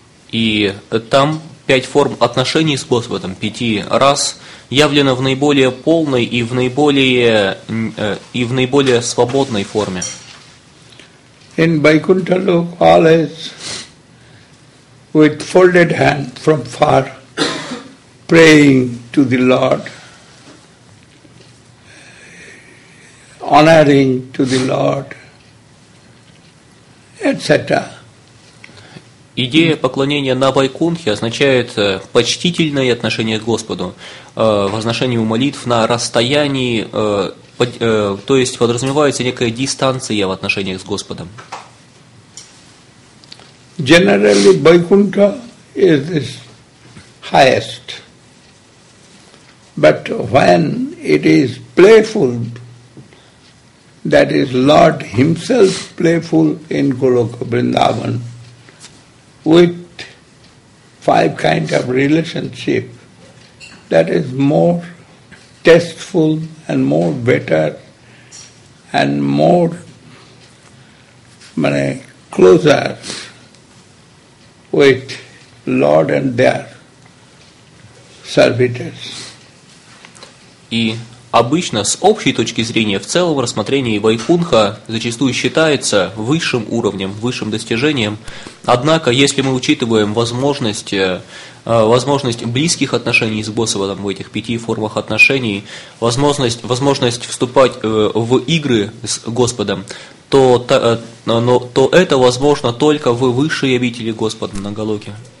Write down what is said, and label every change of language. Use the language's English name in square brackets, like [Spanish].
[Russian] И там пять форм отношений с Господом, пяти раз явлено в наиболее полной и в наиболее свободной форме. [English] In Vaikuntha Lok, always with folded hand from far, praying to the Lord, honoring to the Lord, etc. [Russian] Идея поклонения на Вайкунхе означает почтительное отношение к Господу, возношение молитв на расстоянии, то есть подразумевается некая дистанция в отношениях с Господом. [English] Generally, Vaikuntha is the highest. But when it is playful, that is Lord himself playful in Goloka Vrindavan, with five kinds of relationship, that is more tasteful and more better and more closer with Lord and their servitors. [Russian] И обычно с общей точки зрения в целом рассмотрении Вайкунха зачастую считается высшим уровнем, высшим достижением. Однако, если мы учитываем возможность близких отношений с Господом в этих пяти формах отношений, возможность вступать в игры с Господом, то это возможно только в высшей обители Господа на Голоке.